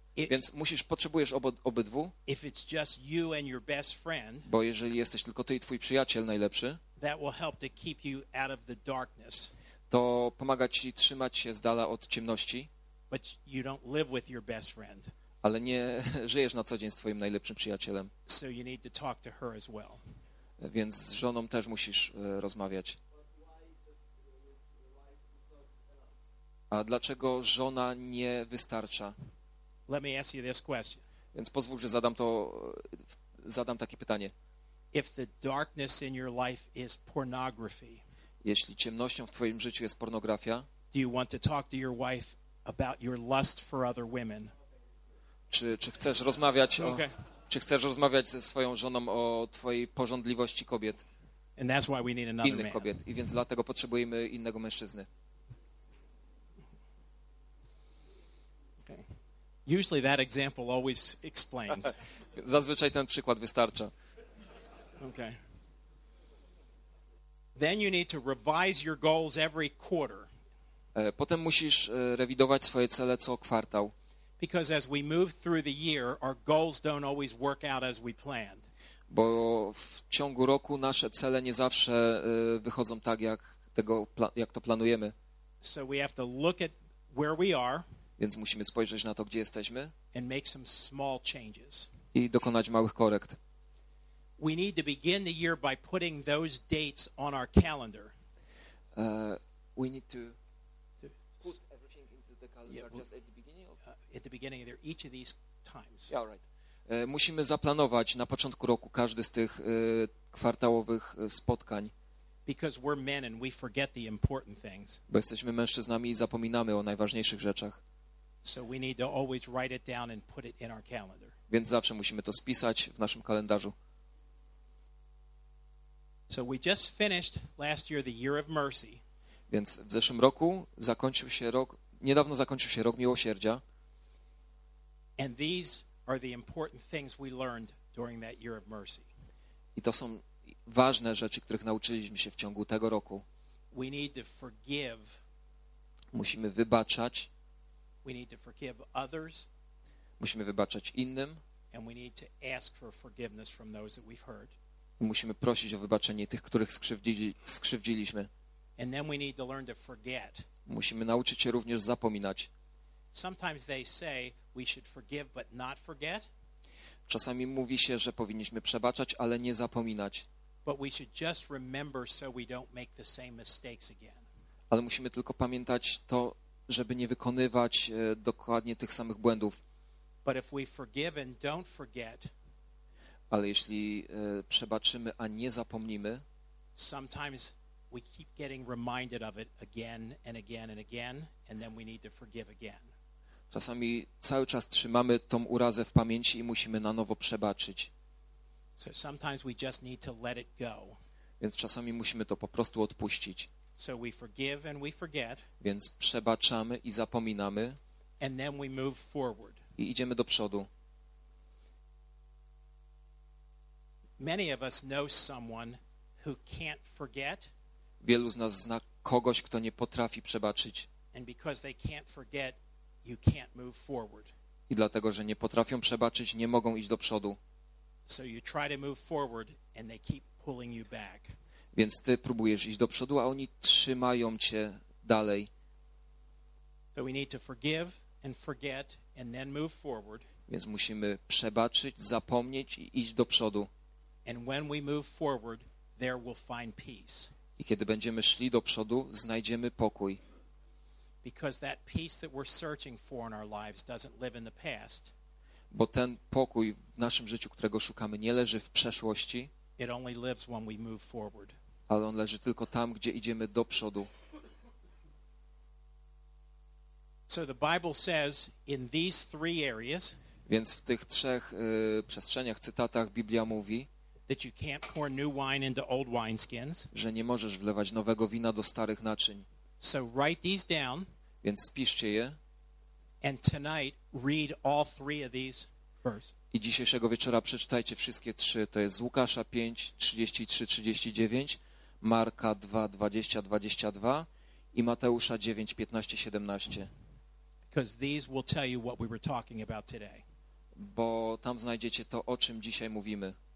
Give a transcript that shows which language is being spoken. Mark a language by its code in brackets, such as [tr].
[pl] Więc potrzebujesz obydwu. [en] If it's just you and your best friend, [pl] bo jeżeli jesteś tylko ty i twój przyjaciel najlepszy, [en] that will help to keep you out of the darkness. [pl] To to pomaga ci trzymać się z dala od ciemności. [en] But you don't live with your best friend. [pl] Ale nie żyjesz na co dzień z twoim najlepszym przyjacielem. [en] So you need to talk to her as well. [pl] Więc z żoną też musisz rozmawiać. A dlaczego żona nie wystarcza? [en] Let me ask you this question. [pl] Więc pozwól, że zadam to, zadam takie pytanie. [en] If the darkness in your life is pornography, [pl] jeśli ciemnością w twoim życiu jest pornografia, [en] do you want to talk to your wife about your lust for other women? [pl] Czy chcesz rozmawiać o, czy chcesz rozmawiać ze swoją żoną o twojej pożądliwości kobiet? [en] And that's why we need another [pl] innych kobiet. [en] Man. [pl] I więc dlatego potrzebujemy innego mężczyzny. [en] Okay. Usually that example always explains. [pl] Zazwyczaj ten przykład wystarcza. [en] Okay. Then you need to revise your goals every quarter. [pl] Potem musisz rewidować swoje cele co kwartał. [en] Because as we move through the year, our goals don't always work out as we planned. [pl] Bo w ciągu roku nasze cele nie zawsze wychodzą tak jak tego jak to planujemy. [en] So we have to look at where we are. [pl] Więc musimy spojrzeć na to, gdzie jesteśmy. [en] And make some small changes. [pl] I dokonać małych korekt. [en] We need to begin the year by putting those dates on our calendar. We need to put everything into the calendar just at the beginning of Each of these times. Yeah, right. [pl] Musimy zaplanować na początku roku każdy z tych kwartałowych spotkań. [en] Because we're men and we forget the important things. [pl] Bo jesteśmy mężczyznami i zapominamy o najważniejszych rzeczach. [en] So we need to always write it down and put it in our calendar. [pl] Więc zawsze musimy to spisać w naszym kalendarzu. [en] So we just finished last year the year of mercy. [pl] Więc w zeszłym roku zakończył się rok, niedawno zakończył się rok miłosierdzia. [en] And these are the important things we learned during that year of mercy. [pl] I to są ważne rzeczy, których nauczyliśmy się w ciągu tego roku. [en] We need to forgive. [pl] Musimy wybaczać. [en] We need to forgive others. [pl] Musimy wybaczać innym. [en] And we need to ask for forgiveness from those that we've hurt. [pl] Musimy prosić o wybaczenie tych, których skrzywdziliśmy. [en] And then we need to learn to forget. [pl] Musimy nauczyć się również zapominać. [en] Sometimes they say we should forgive but not forget. [pl] Czasami mówi się, że powinniśmy przebaczać, ale nie zapominać. [en] But we should just remember so we don't make the same mistakes again. [pl] Ale musimy tylko pamiętać to, żeby nie wykonywać dokładnie tych samych błędów. [en] But if we forgive and don't forget, [pl] ale jeśli przebaczymy, a nie zapomnimy, [en] sometimes we keep getting reminded of it again and again and again, and then we need to forgive again. [pl] Czasami cały czas trzymamy tą urazę w pamięci i musimy na nowo przebaczyć. [en] So sometimes we just need to let it go. [pl] Więc czasami musimy to po prostu odpuścić. [en] So we forgive and we forget. [pl] Więc przebaczamy i zapominamy. [en] And then we move forward. [pl] I idziemy do przodu. [en] Many of us know someone who can't forget. [pl] Wielu z nas zna kogoś, kto nie potrafi przebaczyć. [en] And because they can't forget, you can't move forward. [pl] I dlatego, że nie potrafią przebaczyć, nie mogą iść do przodu. [en] So you try to move forward and they keep pulling you back. [pl] Więc ty próbujesz iść do przodu, a oni trzymają cię dalej. [en] So we need to forgive and forget and then move forward. [pl] Więc musimy przebaczyć, zapomnieć i iść do przodu. [en] And when we move forward, there we'll find peace. [pl] I kiedy będziemy szli do przodu, znajdziemy pokój. [en] Because that peace that we're searching for in our lives doesn't live in the past. [pl] Bo ten pokój w naszym życiu, którego szukamy, nie leży w przeszłości. [en] It only lives when we move forward. [pl] Ale on leży tylko tam, gdzie idziemy do przodu. [en] So the Bible says in these three areas. [pl] Więc w tych trzech przestrzeniach, cytatach Biblia mówi, [en] that you can't pour new wine into old wineskins. [pl] Że nie możesz wlewać nowego wina do starych naczyń. [en] So write these down. [pl] Więc spiszcie je. [en] And tonight read all three of these verses. [pl] I dzisiejszego wieczora przeczytajcie wszystkie trzy. To jest Łukasza 5, 33, 39, Marka 2, 20, 22 i Mateusza 9, 15, 17. [en] Because these will tell you what we were talking about today. [pl] Bo tam znajdziecie to, o czym dzisiaj mówimy.